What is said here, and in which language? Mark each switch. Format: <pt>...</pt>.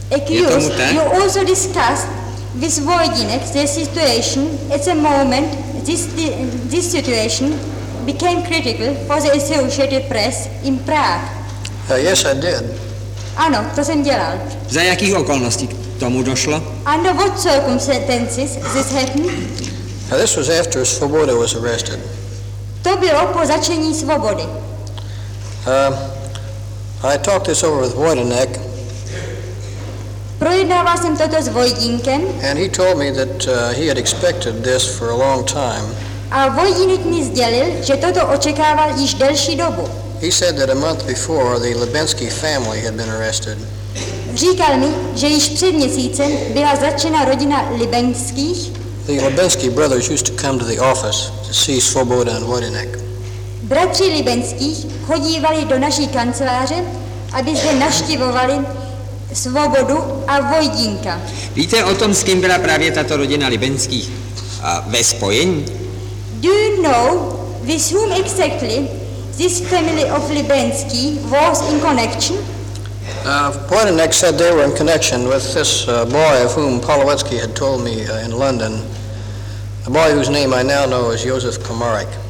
<en>You also discussed this Vojdinec, the situation at the moment, this situation became critical for the Associated Press in Prague. Yes, I did.</en> <cs>Ano, to jsem dělal. Za jakých okolností k tomu došlo?</cs> <en>Under what circumstances this happened? This was after Svoboda was arrested.</en> <cs>To bylo po začení Svobody.</cs> <en>I talked this over with Vojdinec.</en> <cs>Projednával jsem toto s Vojdinkem.</cs> <en>And he told me that he had expected this for a long time.</en> <cs>A Vojdinec mi sdělil, že toto očekával již delší dobu.</cs> <en>He said that a month before the Lebensky family had been arrested.</en> <cs>Říkal mi, že již před měsícem byla zatčena rodina Lebenských.</cs> <en>The Lebensky brothers used to come to the office to see Svoboda and Vojdinec.</en> <cs>Bratři Lebenských chodívali do naší kanceláře, aby zde navštivovali Svobodu a Vojdinka. Víte o tom, s kým byla právě tato rodina Lebenských ve spojení?</cs> <en>Do you know with whom exactly this family of Lebensky was in connection? Vojdinec said they were in connection with this boy of whom Polowetsky had told me in London, a boy whose name I now know as Josef Komarek.</en>